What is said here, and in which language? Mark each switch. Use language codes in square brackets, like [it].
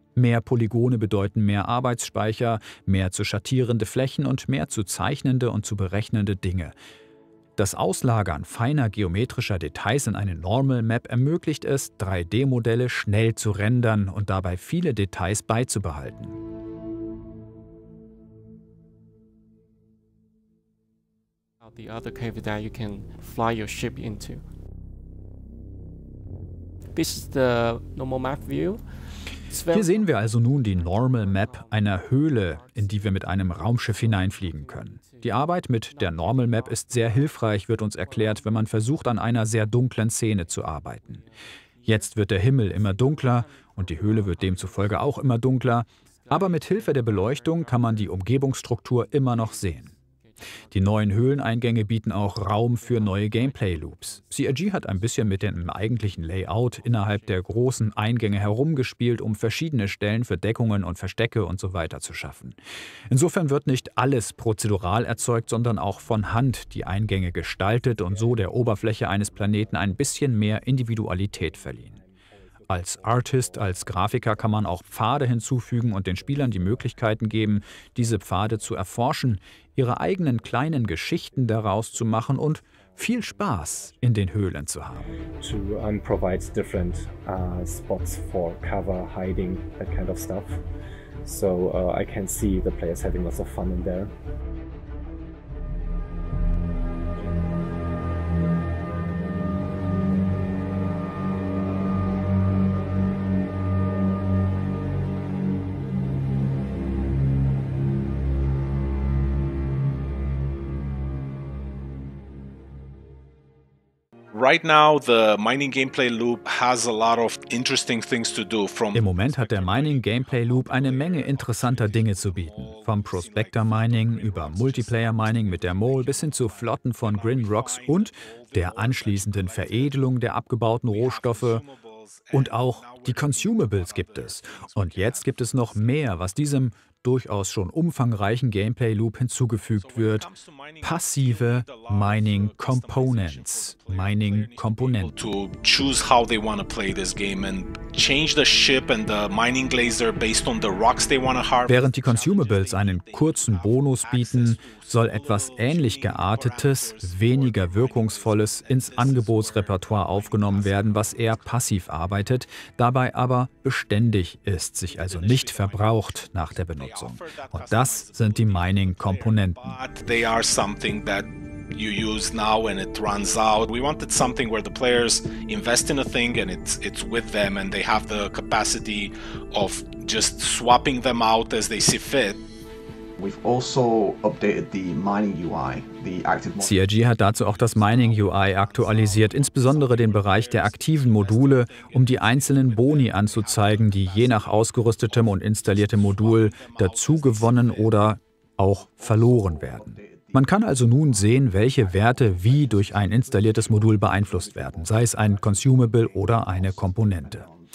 [de] Mehr Polygone bedeuten mehr Arbeitsspeicher, mehr zu schattierende Flächen und mehr zu zeichnende und zu berechnende Dinge. Das Auslagern feiner geometrischer Details in eine Normal Map ermöglicht es, 3D-Modelle schnell zu rendern und dabei viele Details beizubehalten. [en] The other cave that you can fly your ship into. This is the normal map view. [de] Hier sehen wir also nun die Normal Map einer Höhle, in die wir mit einem Raumschiff hineinfliegen können. Die Arbeit mit der Normal Map ist sehr hilfreich, wird uns erklärt, wenn man versucht, an einer sehr dunklen Szene zu arbeiten. Jetzt wird der Himmel immer dunkler und die Höhle wird demzufolge auch immer dunkler, aber mit Hilfe der Beleuchtung kann man die Umgebungsstruktur immer noch sehen. Die neuen Höhleneingänge bieten auch Raum für neue Gameplay-Loops. CRG hat ein bisschen mit dem eigentlichen Layout innerhalb der großen Eingänge herumgespielt, um verschiedene Stellen für Deckungen und Verstecke und so weiter zu schaffen. Insofern wird nicht alles prozedural erzeugt, sondern auch von Hand die Eingänge gestaltet und so der Oberfläche eines Planeten ein bisschen mehr Individualität verliehen. Als Artist, als Grafiker kann man auch Pfade hinzufügen und den Spielern die Möglichkeiten geben, diese Pfade zu erforschen, ihre eigenen kleinen Geschichten daraus zu machen und viel Spaß in den Höhlen zu haben. [en] To provide different spots for cover, hiding, that kind of stuff. So I can see the players having lots of fun in there. Right now the mining gameplay loop has a lot of interesting things to do from [de] Im Moment hat der Mining Gameplay Loop eine Menge interessanter Dinge zu bieten, vom Prospector Mining über Multiplayer Mining mit der Mole bis hin zu Flotten von Grin Rocks und der anschließenden Veredelung der abgebauten Rohstoffe. Und auch die Consumables gibt es. Und jetzt gibt es noch mehr, was diesem durchaus schon umfangreichen Gameplay-Loop hinzugefügt wird. [en] Passive Mining Components. [de] Mining Komponenten. [en] To choose how they want to play this game and change the ship and the mining laser based on the rocks they want to harvest. [de] Während die Consumables einen kurzen Bonus bieten, soll etwas ähnlich geartetes, weniger wirkungsvolles ins Angebotsrepertoire aufgenommen werden, was eher passiv arbeitet, dabei aber beständig ist, sich also nicht verbraucht nach der Benutzung. Und das sind die Mining-Komponenten. [en] They are something that you use now and it runs out. We wanted something where the players invest in a thing and it's with them and they have the capacity of just swapping them out as they see fit. We've also updated the mining UI, the active module. [de] CRG hat dazu auch das Mining UI aktualisiert, insbesondere den Bereich der aktiven Module, um die einzelnen Boni anzuzeigen, die je nach ausgerüstetem und installiertem Modul dazu gewonnen oder auch verloren werden. Man kann also nun sehen, welche Werte wie durch ein installiertes Modul beeinflusst werden, sei es ein Consumable oder eine Komponente.